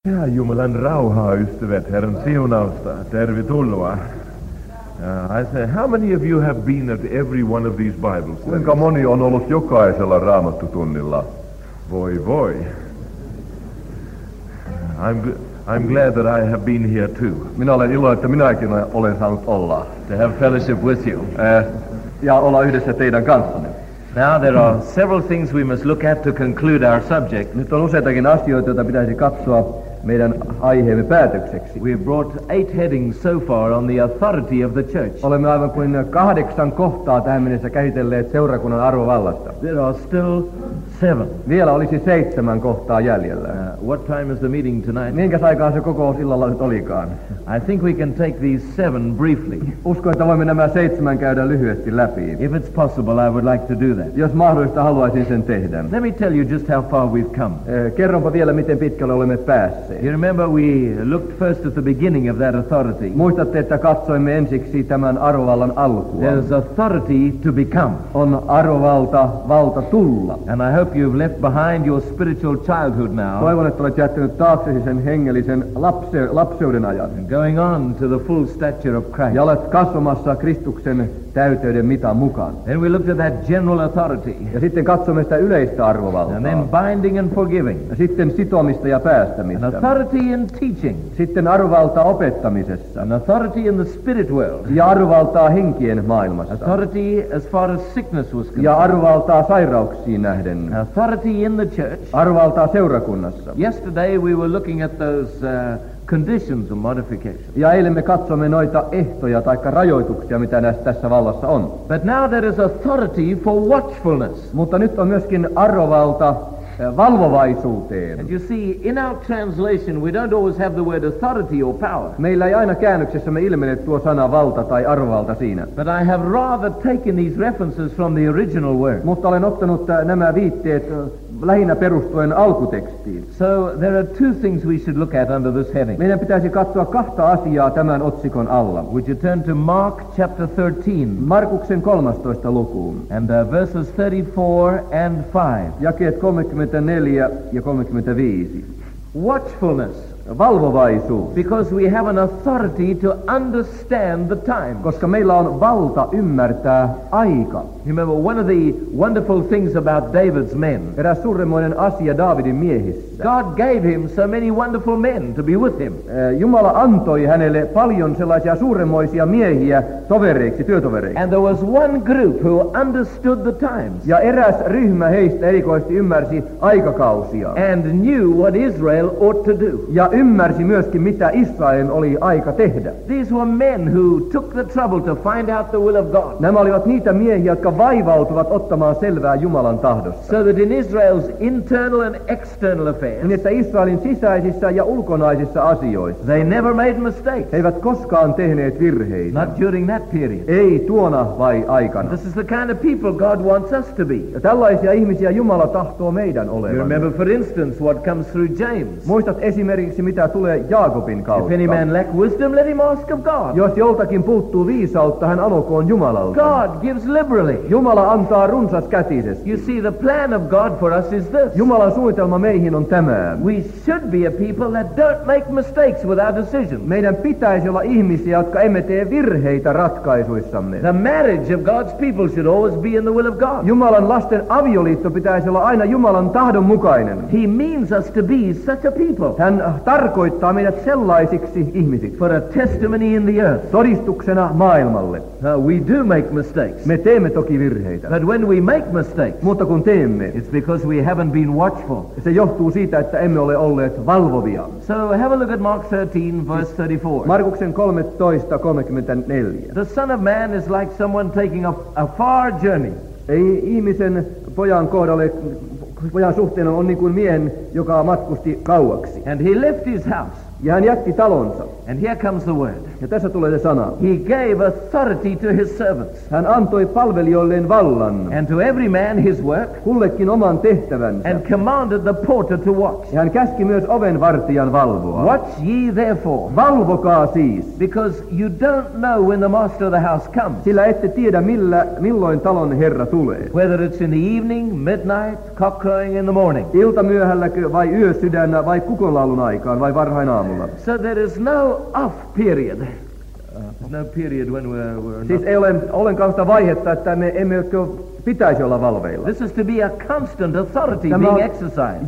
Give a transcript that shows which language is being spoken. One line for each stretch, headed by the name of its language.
Finnish: Ja, jumalan rauha, ystävät, Herran siunausta, tervetuloa.
English: I say, how many of you have been at every one of these Bible studies?
Finnish: Kuinka moni on ollut jokaisella raamattutunnilla? Voi voi.
English: I'm glad that I have been here too.
Finnish: Minä olen iloinen, että minäkin olen saanut olla.
English: To have fellowship with you.
Finnish: Ja olla yhdessä teidän kanssanne.
English: Now there are several things we must look at to conclude our subject.
Finnish: Nyt on useitakin asioita, joita pitäisi katsoa meidän aiheemme päätökseksi.
English: We've brought 8 headings so far on the authority of the church.
Finnish: Olemme aivan kuin 8 kohtaa tähän mennessä käsitelleet seurakunnan arvovallasta.
English: There are still 7.
Finnish: Vielä olisi 7 kohtaa jäljellä.
English: What time is the meeting tonight?
Finnish: Minkäs aikaa se kokous illalla nyt olikaan?
English: I think we can take these 7 briefly.
Finnish: Uskon, että voimme nämä 7 käydä lyhyesti läpi.
English: If it's possible, I would like to do that.
Finnish: Jos mahdollista, haluaisin sen tehdä.
English: Let me tell you just how far we've come.
Finnish: Kerronpa vielä, miten pitkälle olemme päässeet.
English: You remember we looked first at the beginning of that authority.
Finnish: Muistatte, että katsoimme ensiksi tämän arvovallan alkua.
English: There's authority to become.
Finnish: On arvovalta, valta tulla.
English: And I hope you've left behind your spiritual childhood now.
Finnish: Toivon, että olet jättänyt taaksesi sen hengellisen lapsuuden ajan.
English: Going on to the full stature of Christ.
Finnish: Ja olet kasvamassa Kristuksen täyteyden mitan mukaan.
English: And we looked at that general authority.
Finnish: Ja sitten katsomme sitä yleistä arvovaltaa.
English: And then binding and forgiving.
Finnish: Ja sitten sitomista ja päästämistä.
English: An authority in teaching.
Finnish: Sitten arvovalta opettamisessa.
English: An authority in the spirit world.
Finnish: Ja arvovalta henkien maailmassa.
English: Authority as far as sickness was concerned.
Finnish: Ja arvovalta sairauksiin nähden.
English: An authority in the church.
Finnish: Arvovalta seurakunnassa.
English: Yesterday we were looking at those conditions and modifications.
Finnish: Ja eilen me katsomme noita ehtoja taikka rajoituksia, mitä näissä tässä vallassa on.
English: But now there is authority for watchfulness.
Finnish: Mutta nyt on myöskin arvovalta valvovaisuuteen.
English: And you see, in our translation, we don't always have the word authority or power.
Finnish: Meillä ei aina käännöksessämme ilmene tuo sana valta tai arvovalta siinä.
English: But I have rather taken these references from the original word.
Finnish: Mutta olen ottanut nämä viitteet lähinnä perustuen alkutekstiin.
English: So there are 2 things we should look at under this heading.
Finnish: Meidän pitäisi katsoa 2 asiaa tämän otsikon alla.
English: Would you turn to Mark chapter 13?
Finnish: Markuksen 13. lukuun.
English: And verses 34 and 5.
Finnish: Jakeet 34 ja 35.
English: Watchfulness.
Finnish: Valvovaisuus.
English: Because we have an authority to understand the times.
Finnish: Koska meillä on valta ymmärtää aika.
English: Remember, one of the wonderful things about David's men.
Finnish: Eräs suuremmoinen asia Davidin miehissä.
English: God gave him so many wonderful men to be with him.
Finnish: Jumala antoi hänelle paljon sellaisia suuremmoisia miehiä tovereiksi, työtovereiksi.
English: And there was one group who understood the times.
Finnish: Ja eräs ryhmä heistä erikoisesti ymmärsi aikakausia.
English: And knew what Israel ought to do.
Finnish: Ja ymmärsi myöskin, mitä Israelin oli aika tehdä.
English: These were men who took the trouble to find out the will of God.
Finnish: Nämä olivat niitä miehiä, jotka vaivautuvat ottamaan selvää Jumalan tahdosta.
English: So that in Israel's internal and external affairs.
Finnish: Niin että Israelin sisäisissä ja ulkonaisissa asioissa.
English: They never made mistakes.
Finnish: Eivät koskaan tehneet virheitä.
English: Not during that period.
Finnish: Ei tuona vai aikana.
English: This is the kind of people God wants us to be.
Finnish: Ja tällaisia ihmisiä Jumala tahtoo meidän olevan.
English: You remember for instance what comes through James.
Finnish: Muistat esimerkiksi, mitä tulee Jaakobin kautta.
English: If any man lack wisdom, let him ask of God.
Finnish: Jos joltakin puuttuu viisautta, hän anokoon Jumalalta.
English: God gives liberally.
Finnish: Jumala antaa runsas kätisesti.
English: You see, the plan of God for us is this.
Finnish: Jumalan suunnitelma meihin on tämä.
English: We should be a people that don't make mistakes with our decisions.
Finnish: Meidän pitäisi olla ihmisiä, jotka emme tee virheitä ratkaisuissamme.
English: The marriage of God's people should always be in the will of God.
Finnish: Jumalan lasten avioliitto pitäisi olla aina Jumalan tahdon mukainen.
English: He means us to be such a people.
Finnish: Hän tarkoittaa meidät sellaisiksi ihmisiksi.
English: For a testimony in the earth.
Finnish: Todistuksena maailmalle.
English: We do make mistakes.
Finnish: Me teemme toki virheitä.
English: But when we make mistakes.
Finnish: Mutta kun teemme.
English: It's because we haven't been watchful.
Finnish: Se johtuu siitä, että emme ole olleet valvovia.
English: So have a look at Mark 13 verse 34.
Finnish: Markuksen 13:34.
English: The son of man is like someone taking a far journey.
Finnish: Ei ihmisen pojan kohdalle pojan suhteen on niin kuin miehen, joka matkusti kauaksi.
English: And he left his house.
Finnish: Ja hän jätti talonsa.
English: And here comes the word.
Finnish: Ja tässä tulee se sana.
English: He gave authority to his servants.
Finnish: Hän antoi palvelijoilleen vallan.
English: And to every man his work.
Finnish: Kullekin oman tehtävänsä.
English: And commanded the porter to watch.
Finnish: Ja hän käski myös ovenvartijan valvoa.
English: Watch ye therefore.
Finnish: Valvokaa siis.
English: Because you don't know when the master of the house comes.
Finnish: Sillä ette tiedä milloin talon herra tulee.
English: Whether it's in the evening, midnight, cockcrowing in the morning.
Finnish: Iltamyöhälläkö vai yösydännä vai kukonlaulun aikaan vai varhain aamulla.
English: So there is no off period. There's no period when we're not.
Finnish: Siis ei ole ollenkaan sitä vaihetta, että me emme ole pitäisi olla valveilla.
English: This is to be a constant authority
Finnish: tämä
English: being exercised.